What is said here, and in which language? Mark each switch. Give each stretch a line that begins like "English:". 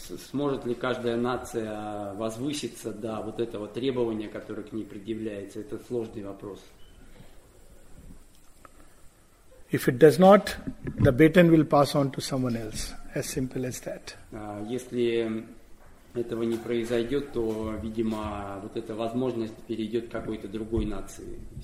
Russian: Сможет ли каждая нация возвыситься до вот этого требования, которое к ней предъявляется? Это сложный вопрос.
English: If it does not, the baton will pass on to someone else. As simple as that.
Russian: Если этого не произойдет, то, видимо, вот эта возможность перейдет к какой-то другой нации.